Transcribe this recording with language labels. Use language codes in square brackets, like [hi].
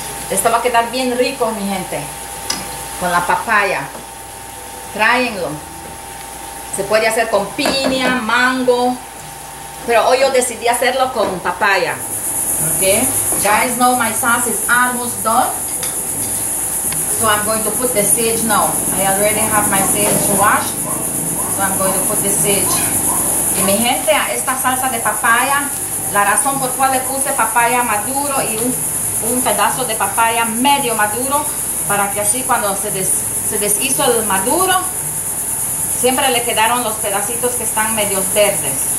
[es] Esto va a quedar bien rico, mi gente, con la papaya. Tráenlo. Se puede hacer con piña, mango, pero hoy yo decidí hacerlo con papaya. [en] Okay. Guys, now my sauce is almost done. So I'm going to put the sage now. I already have my sage washed. So I'm going to put the sage [es] Y mi gente, esta salsa de papaya, la razón por cual le puse papaya maduro y un pedazo de papaya medio maduro, para que así cuando se deshizo el maduro, siempre le quedaron los pedacitos que están medio verdes.